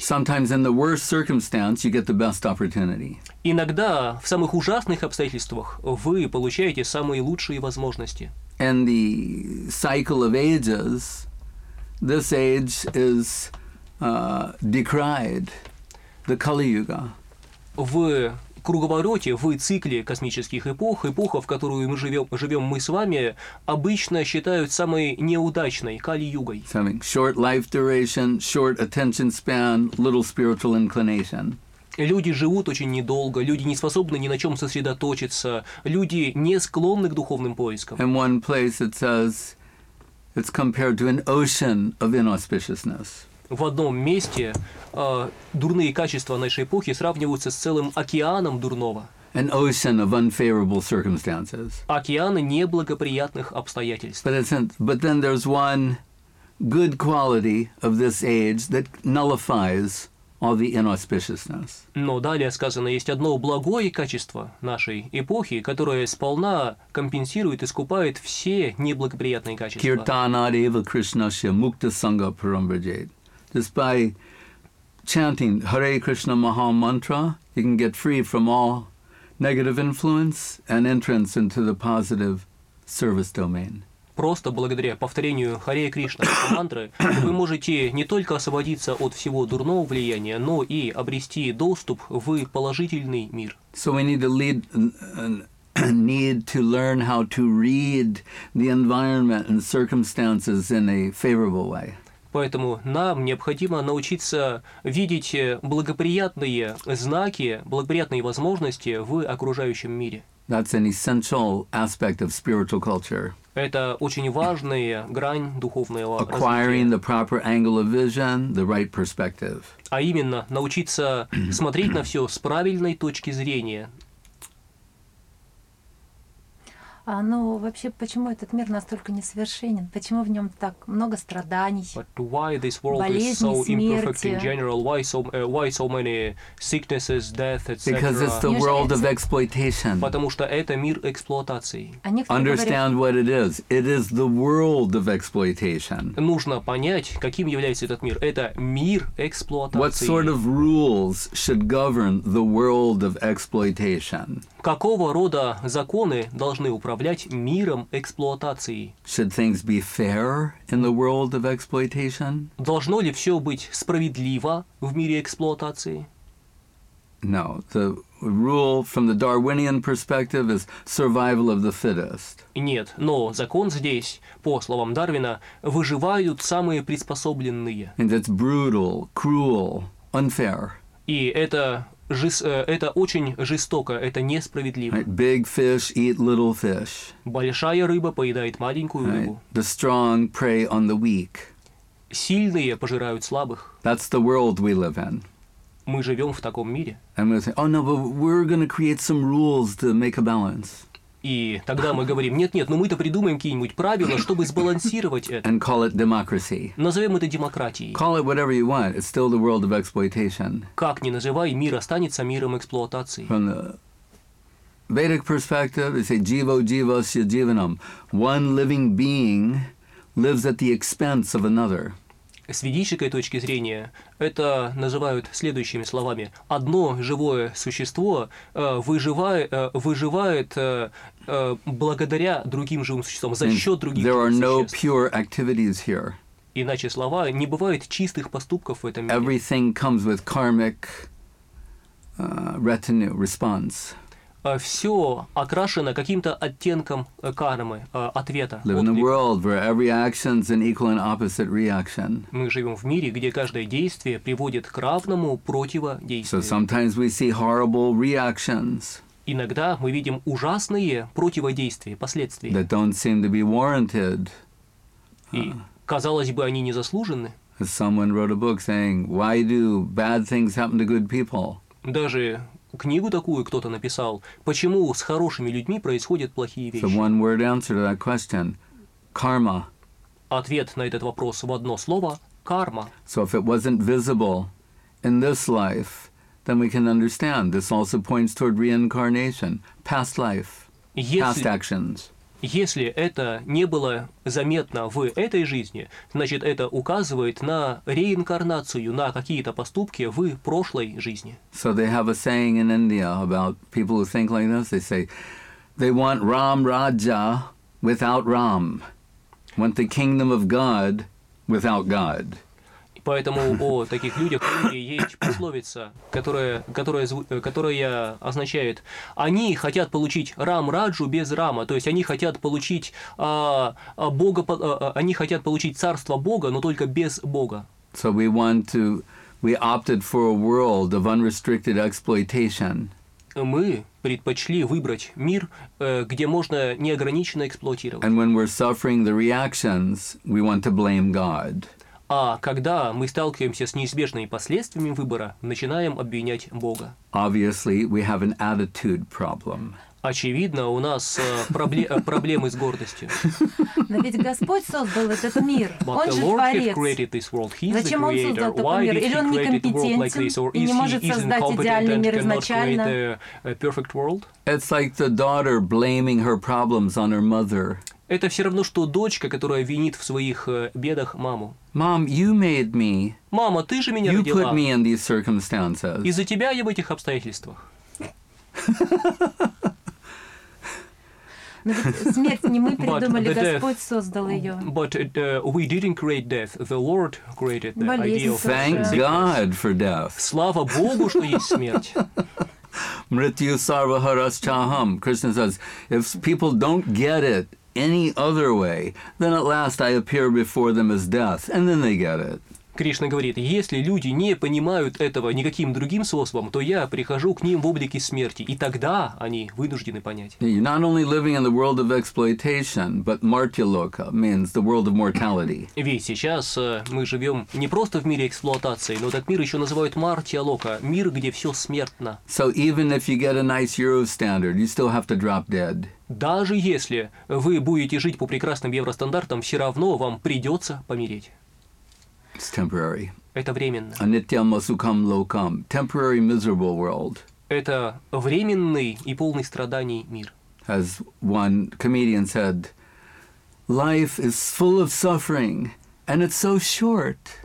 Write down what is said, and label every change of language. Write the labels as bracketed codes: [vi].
[en] Sometimes in the worst circumstance you get the best opportunity. [ru] Иногда в самых ужасных обстоятельствах вы получаете самые лучшие возможности. [en] And the cycle of ages, this age is decried, the Kali Yuga. [ru] В круговороте, в цикле космических эпох, эпоха, в которую мы живем мы с вами, обычно считают самой неудачной Кали Югой. [en] Something short life duration, short attention span, little spiritual inclination. [ru] Люди живут очень недолго, люди не способны ни на чем сосредоточиться, люди не склонны к духовным поискам. [en] In one place it says it's compared to an ocean of inauspiciousness. [ru] В одном месте дурные качества нашей эпохи сравниваются с целым океаном дурного. [en] An ocean of unfavorable circumstances. [ru] Океаны неблагоприятных обстоятельств. [en] But then there's one good quality of this age that nullifies all the inauspiciousness. [ru] Но далее сказано, есть одно благое качество нашей эпохи, которое сполна компенсирует и искупает все неблагоприятные качества. [sa] Киртанади ва Кришнаша мукта санга парамбраджет. [en] Just by chanting Hare Krishna Maha Mantra, you can get free from all negative influence and entrance into the positive service domain. [ru] Просто благодаря повторению Харе Кришна мантры вы можете не только освободиться от всего дурного влияния, но и обрести доступ в положительный мир. [en] So we need to learn how to read the environment and circumstances in a favorable way. [ru] Поэтому нам необходимо научиться видеть благоприятные знаки, благоприятные возможности в окружающем мире. [en] That's an essential aspect of spiritual culture. [ru] Это очень важная грань духовного развития. [en] Acquiring the proper angle of vision, the right perspective. [ru] А именно, научиться смотреть на все с правильной точки зрения. Ну, вообще, почему этот мир настолько несовершенен? Почему в нем так много страданий, болезней, смерти? [en] But why this world is so imperfect in general? Why so many sicknesses, death, etc.? Because it's the world of exploitation. [ru] Потому что это мир эксплуатации. [en] Understand what it is. It is the world of exploitation. [ru] Нужно понять, каким является этот мир. Это мир эксплуатации. [en] What sort of rules should govern the world of exploitation? [ru] Какого рода законы должны управлять миром эксплуатации? [en] Should things be fair in the world of exploitation? [ru] Должно ли все быть справедливо в мире эксплуатации? [en] No. The rule from the Darwinian perspective is survival of the fittest. [ru] Нет, но закон здесь, по словам Дарвина, выживают самые приспособленные. [en] And it's brutal, cruel, unfair. [ru] И это... Это очень жестоко, это несправедливо. [en] Right. Big fish eat little fish. [ru] Большая рыба поедает маленькую рыбу. [en] Right. The strong prey on the weak. [ru] Сильные пожирают слабых. [en] That's the world we live in. [ru] Мы живем в таком мире. [en] And we say, oh no, but we're going to create some rules to make a balance. [ru] И тогда мы говорим, нет-нет, но мы-то придумаем какие-нибудь правила, чтобы сбалансировать это. [en] And call it democracy. [ru] Назовем это демократией. [en] Call it whatever you want, it's still the world of exploitation. [ru] Как ни называй, мир останется миром эксплуатации. [en] From the Vedic perspective, they say, [sa] jivo jivo sya jivanam. [en] One living being lives at the expense of another. [ru] С ведической точки зрения, это называют следующими словами. Одно живое существо выживает благодаря другим живым существам, за счет других [en] there [ru] живых [en] are no [ru] существ. [en] Pure activities here. [ru] Иначе слова, не бывает чистых поступков в этом мире. [en] Everything comes with karmic retinue, response. [ru] Все окрашено каким-то оттенком кармы, ответа. [en] Live in a world where every action is an equal and opposite reaction. [ru] Мы живем в мире, где каждое действие приводит к равному противодействию. [en] So sometimes we see horrible reactions. [ru] Иногда мы видим ужасные противодействия, последствия. [en] That don't seem to be warranted. [ru] И, казалось бы, они не заслужены. [en] Someone wrote a book saying, why do bad things happen to good people? [ru] Даже книгу такую кто-то написал, почему с хорошими людьми происходят плохие вещи. [en] So one word answer to that question. Karma. [ru] Ответ на этот вопрос в одно слово – карма. [en] So if it wasn't visible in this life, then we can understand this also points toward reincarnation, past life, past actions. [ru] Если это не было заметно в этой жизни, значит, это указывает на реинкарнацию, на какие-то поступки в прошлой жизни. [en] So they have a saying in India about people who think like this. They say, they want Ram Raja without Ram. Want the kingdom of God without God. [ru] Поэтому о таких людях в мире есть пословица, которая означает, они хотят получить Рам-Раджу без Рама, то есть они хотят получить Бога, они хотят получить царство Бога, но только без Бога. [en] So we opted for a world of unrestricted exploitation. [ru] Мы предпочли выбрать мир, где можно неограниченно эксплуатировать. [en] And when we're suffering the reactions, we want to blame God. [ru] А когда мы сталкиваемся с неизбежными последствиями выбора, начинаем обвинять Бога. [en] Obviously, we have an attitude problem. [ru] Очевидно, у нас проблемы с гордостью. Но ведь Господь создал этот мир. [en] But [ru] он же [en] Lord [ru] творец. Зачем Он создал такой мир? Или Он некомпетентен и не может создать идеальный мир изначально? [en] It's like the daughter blaming her problems on her mother. [ru] Это все равно, что дочка, которая винит в своих бедах маму. [en] Mom, you made me. [ru] Мама, ты же меня [en] you [ru] родила. [en] Put me in these circumstances. [ru] Из-за тебя я в этих обстоятельствах. Смерть не мы придумали, Господь создал ее. [en] But we didn't create death. The Lord created the [ru] болезнь [en] idea of thank death. God for death. [ru] Слава Богу, что есть смерть. [sa] Mrityu sarva harascha ham. [en] Krishna says, if people don't get it, any other way, then at last I appear before them as death, and then they get it. [ru] Кришна говорит, если люди не понимают этого никаким другим способом, то я прихожу к ним в облике смерти, и тогда они вынуждены понять. [en] You're not only living in the world of exploitation, but Martyaloka means the world of mortality. [ru] Ведь сейчас мы живем не просто в мире эксплуатации, но этот мир еще называют Martyaloka, мир, где все смертно. [en] So even if you get a nice Euro standard, you still have to drop dead. [ru] Даже если вы будете жить по прекрасным евростандартам, все равно вам придется помереть. [en] It's temporary. [ru] Это временно. [sa] Anityam asukam lokam. [en] Temporary miserable world. [ru] Это временный и полный страданий мир. [en] As one comedian said, life is full of suffering and it's so short.